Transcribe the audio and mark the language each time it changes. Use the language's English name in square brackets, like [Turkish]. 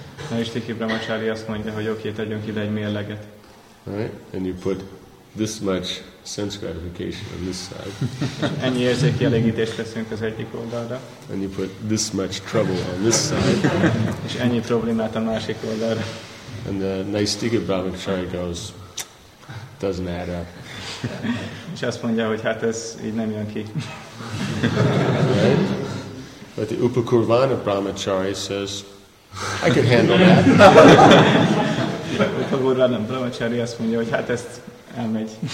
[Hungarian] Naistika Brahmachari azt mondja, hogy oké, tegyünk ide egy mérleget. [English] Right? And you put this much sense gratification on this side. [Hungarian] Ennyi érzéki elégítést teszünk az egyik oldalra. [English] And you put this much trouble on this side. [Hungarian] És ennyi problémát a másik oldalra. [English] And the Naistika Brahmachari goes, doesn't add up. [Hungarian] És azt mondja, hogy hát ez így nem jön ki. [English] Right? But the Upakurvana Brahmachari says, I can handle that. [Hungarian] A Gurvana Brahmachari azt mondja, hogy hát ezt elmegy.